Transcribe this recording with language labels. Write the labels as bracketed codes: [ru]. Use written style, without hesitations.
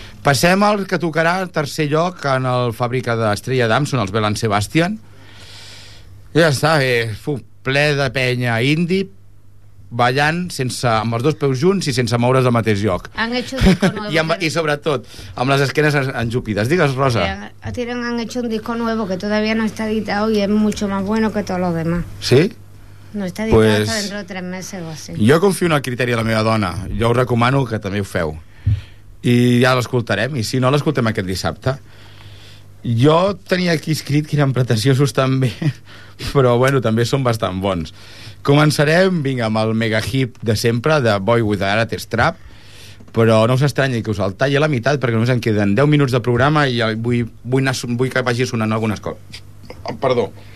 [ca] Passem al que tocarà en tercer lloc en el Fàbrica d'Estrella Damm, són els Belén Sebastian. Ja està, ple de penya indie ballant sense, amb els dos peus junts i sense moure's al mateix lloc. I sobretot, amb les esquenes enjupides. Digues, Rosa. [es] Han hecho un disco nuevo que todavía no está editado y es mucho más bueno que todos los demás. Sí? No está editado pues, hasta dentro de 3 meses o así. [ca] Jo confio en el criteri de la meva dona. Jo us recomano que també ho feu. I ja l'escoltarem. I si no, l'escoltem aquest dissabte. Jo tenia aquí escrit que eren pretensiosos també, però bueno, també són bastant bons. Començarem, vinga, amb el mega hip de sempre, de Boy With The Arat Strap, però no us estranyi que us el talli a la meitat, perquè només en queden 10 minuts de programa i vull anar, vull que vagi sonant algunes coses. Perdó,